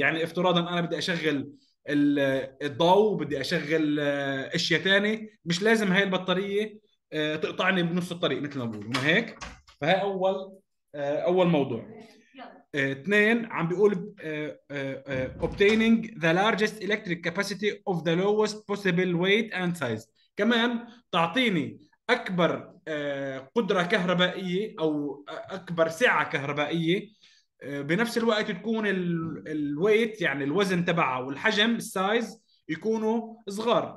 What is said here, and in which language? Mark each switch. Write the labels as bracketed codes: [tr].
[ar] يعني افتراضا انا بدي اشغل الضوء وبدي اشغل اشياء تاني، مش لازم هاي البطارية تقطعني بنص الطريق مثل ما بقولوا. ما هيك؟ فهي اول موضوع. اثنين، عم بيقول [en] obtaining the largest electric capacity of the lowest possible weight and size. [ar] كمان تعطيني أكبر قدرة كهربائية أو أكبر سعة كهربائية، بنفس الوقت تكون الويت يعني الوزن تبعها والحجم السايز يكونوا صغار.